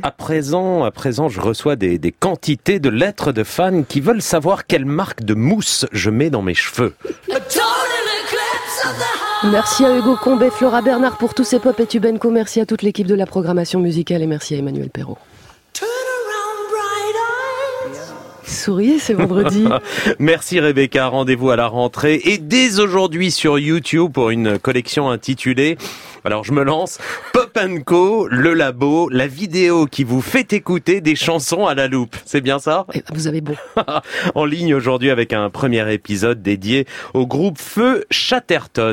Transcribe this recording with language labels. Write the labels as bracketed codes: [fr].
[fr] « À présent, je reçois des quantités de lettres de fans qui veulent savoir quelle marque de mousse je mets dans mes cheveux. » Merci à Hugo Combet, Flora Bernard pour tous ces pop et tubenco. Merci à toute l'équipe de la programmation musicale et merci à Emmanuel Perrault. [en] Turn around, bright eyes. [fr] Souriez, c'est vendredi. Merci Rebecca, rendez-vous à la rentrée et dès aujourd'hui sur YouTube pour une collection intitulée, alors je me lance, Pop & Co, le labo, la vidéo qui vous fait écouter des chansons à la loupe. C'est bien ça ? Et vous avez bon. En ligne aujourd'hui avec un premier épisode dédié au groupe Feu Chatterton.